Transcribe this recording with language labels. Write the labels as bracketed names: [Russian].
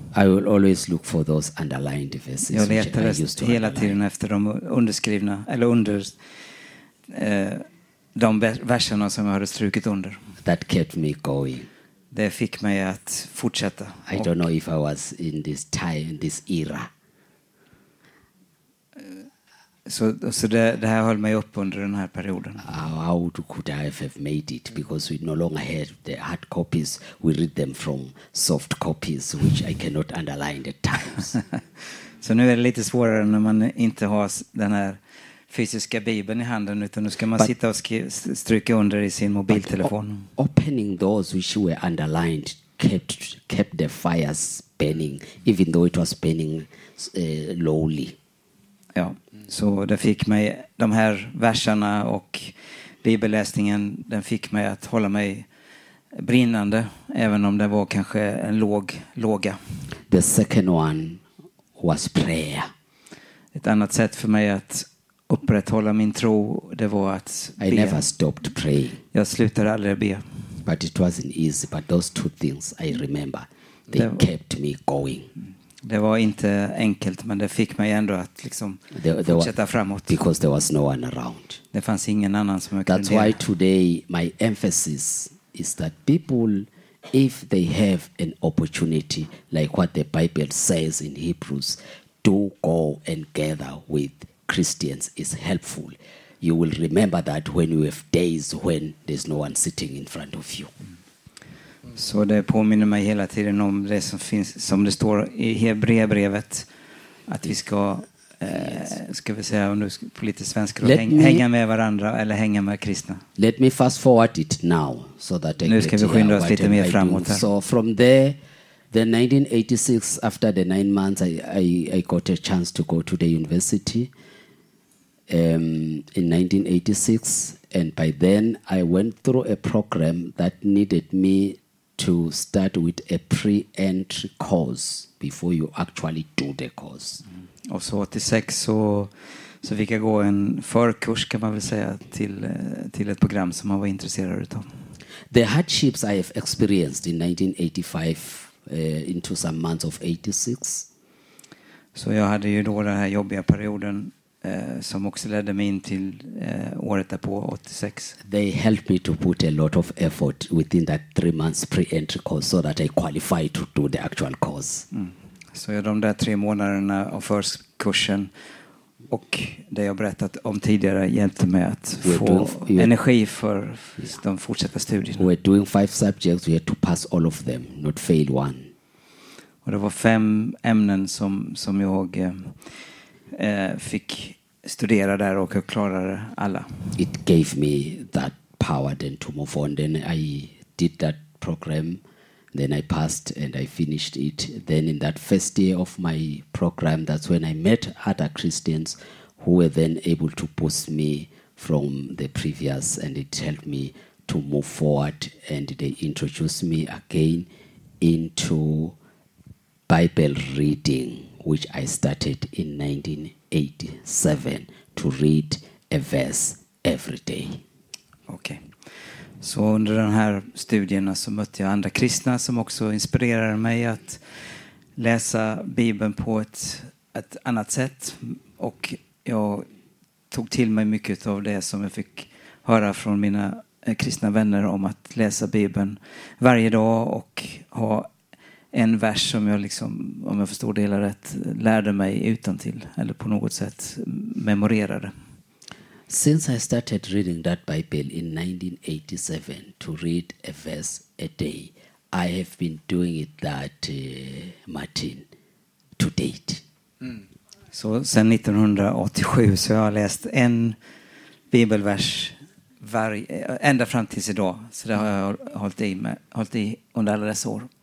[English] I will always look for those underlined verses. [Swedish] Jag letade hela tiden efter de underskrivna eller de verserna som jag hade strukit under. [English] That kept me going. [Swedish] Det fick mig att fortsätta. [English] I don't know if I was in this time, in this era. [Swedish] Så det här höll mig upp under den här perioden. [English] How could I have made it? Because we no longer had the hard copies. We read them from soft copies, which I cannot underline at times. [Swedish] Så nu är det lite svårare när man inte har den här fysiska bibeln i handen, utan nu ska man sitta och stryka under i sin mobiltelefon. [English] Opening those which were underlined kept the fires burning, even though it was burning lowly. [Swedish] Ja. Så det fick mig, de här verserna och bibelläsningen, den fick mig att hålla mig brinnande, även om det var kanske en låga. [English] The second one was prayer. [Swedish] Ett annat sätt för mig att upprätthålla min tro, det var att be. [English] I never stopped praying. [Swedish] Jag slutade aldrig be. [English] But it wasn't easy, but those two things I remember, they kept me going. [Swedish] Det var inte enkelt, men det fick mig ändå att liksom fortsätta framåt. [English] Because there was no one around. [Swedish] Det fanns ingen annan som jag kunde dela. [English] That's why today my emphasis is that people, if they have an opportunity, like what the Bible says in Hebrews, do go and gather with Christians. It's helpful. You will remember that when you have days when there's no one sitting in front of you. [Swedish] Så det påminner mig hela tiden om det som finns, som det står i Hebreerbrevet, att vi ska ska vi säga om du på lite svenska då, hänga med varandra eller hänga med kristna. [English] Let me fast forward it now so that I [Swedish] nu ska vi skynda oss lite mer framåt. [English] So from there, the 1986, after the 9 months, I got a chance to go to the university in 1986, and by then I went through a program that needed me to start with a pre-entry course before you actually do the course. [Swedish] Och så 86 så fick jag gå en förkurs, kan man väl säga, till ett program som man var intresserad av. [English] The hardships I have experienced in 1985 into some months of 86. [Swedish] Så jag hade ju då den här jobbiga perioden som också ledde mig in till året därpå, 86. [English] They helped me to put a lot of effort within that 3 months pre-entry course so that I qualify to do the actual course. Mm. [Swedish] Så jag de där 3 månaderna av förkursen och det jag berättat om tidigare hjälpte mig att energi för de fortsatta studierna. [English] We're doing 5 subjects, we had to pass all of them, not fail one. [Swedish] Och det var 5 ämnen som jag fick studera där och jag klarade alla. [English] It gave me that power then to move on. Then I did that program. Then I passed and I finished it. Then in that first year of my program, that's when I met other Christians who were then able to boost me from the previous, and it helped me to move forward, and they introduced me again into Bible reading, which I started in 1987 to read a verse every day. Okay. [Swedish] Så under den här studierna så mötte jag andra kristna som också inspirerade mig att läsa Bibeln på ett annat sätt. Och jag tog till mig mycket av det som jag fick höra från mina kristna vänner om att läsa Bibeln varje dag och ha en vers som jag, liksom, om jag förstår det hela rätt, lärde mig utantill eller på något sätt memorerade. [English] Since I started reading that Bible in 1987 to read a verse a day, I have been doing it that Martin to date. [Swedish] Så sen 1987 så jag har läst en bibelvers ända fram tills idag. Så det har jag hållit i under alla dessa år.